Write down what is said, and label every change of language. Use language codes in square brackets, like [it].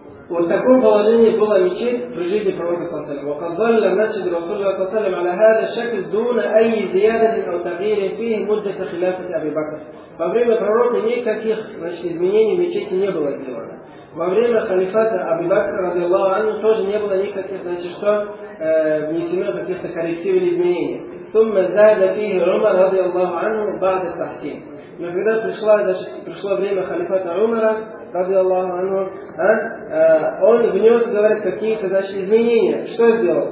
[ru] Вот в таком положении была мечеть при жизни пророка Саллаллаху алейхи ва саллям. [ar] وقد ظل المسجد رسول الله صلى الله عليه وسلم على هذا الشكل دون أي زيادة أو تغيير فيه مدة خلافة أبي بكر. [ru] Во время пророка никаких, значит, изменений мечети не было сделано. Во время халифата Абу Бакра, [ar] ради Аллаху анху, [ru] тоже не было никаких, значит, что внесено каких-то корректив или изменений. [ar] Сумма зайда фихи Умар, ради Аллаху анху, бады тахтин. [ru] Но когда пришло время халифата Умара, [ar] ради Аллаху анху, [ru] он внес, говорит, какие-то, значит, изменения. Что сделал?